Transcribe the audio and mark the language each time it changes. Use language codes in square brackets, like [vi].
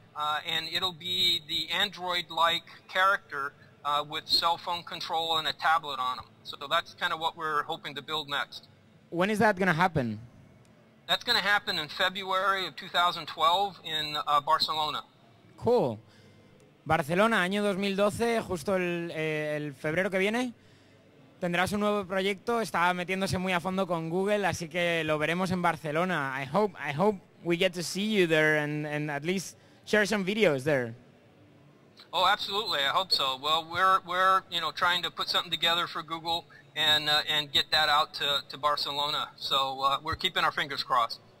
[en] And it'll be the Android-like character with cell phone control and a tablet on them. So that's kind of what we're hoping to build next. When is that going to happen? That's going to happen in February of 2012 in Barcelona. Cool. [es] Barcelona, año 2012, justo el febrero que viene, tendrás un nuevo proyecto. Está metiéndose muy a fondo con Google, así que lo veremos en Barcelona. [en] I hope we get to see you there and at least share some videos there. Oh, absolutely. I hope so. Well, we're you know, trying to put something together for Google and get that out to Barcelona. So we're keeping our fingers crossed.